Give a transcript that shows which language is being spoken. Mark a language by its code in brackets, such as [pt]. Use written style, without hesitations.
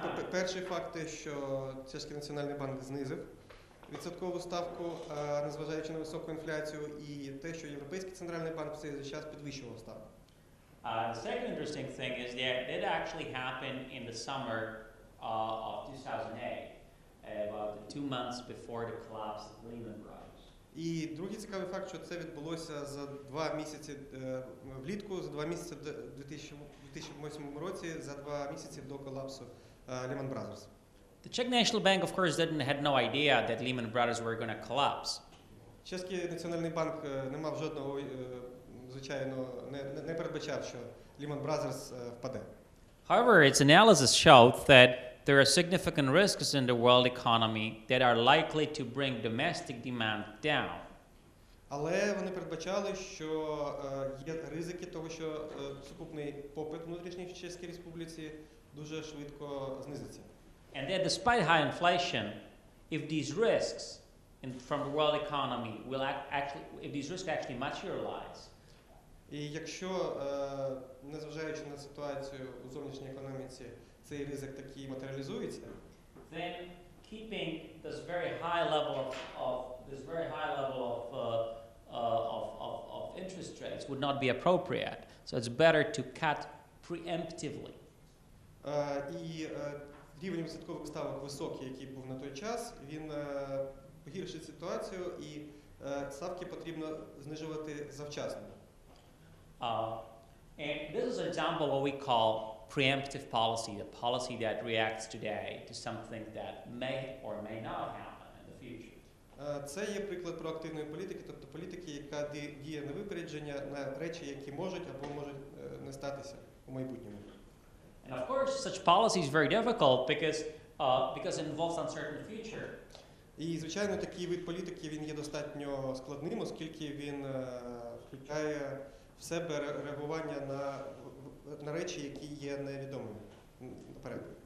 [uk] Перший факт те, що Чеський національний банк знизив відсоткову ставку, незважаючи на високу інфляцію, і те, що Європейський центральний банк в цей час підвищував ставку. [en] The second interesting thing is that it actually happened in the summer of 2008, about 2 months before the collapse of Lehman Brothers. [uk] І другий цікавий факт, що це відбулося за два місяці влітку, за два місяці в 2008 році, за два місяці до колапсу Lehman Brothers. [en] The Czech National Bank, of course, had no idea that Lehman Brothers were going to collapse. [uk] Чеський національний банк не мав жодного звичайно, не передбачав, що Lehman Brothers впаде. [en] However, its analysis showed that there are significant risks in the world economy that are likely to bring domestic demand down. [uk] Але вони передбачали, що є ризики того, що сукупний попит внутрішній в Чеській Республіці дуже швидко знизиться. [en] And that despite high inflation, if these risks in, from the world economy will actually, if these risks actually materialize, [uk] і якщо, незважаючи на ситуацію у зовнішній економіці, цей ризик такий матеріалізується, [en] then keeping this very high level of interest rates would not be appropriate. So it's better to cut preemptively. [uk] І рівень відсоткових ставок високий, який був на той час, він погіршить ситуацію і ставки потрібно знижувати завчасно. [en] And this is an example of what we call preemptive policy, the policy that reacts today to something that may or may not happen in the future. [uk] Це є приклад проактивної політики, тобто політики, яка діє на випередження, на речі, які можуть або можуть не статися у майбутньому. [en] And of course, such policy is very difficult because it involves uncertain future. [uk] І, звичайно, такий вид політики, він є достатньо складним, оскільки він включає в себе реагування на речі, які є невідомими наперед.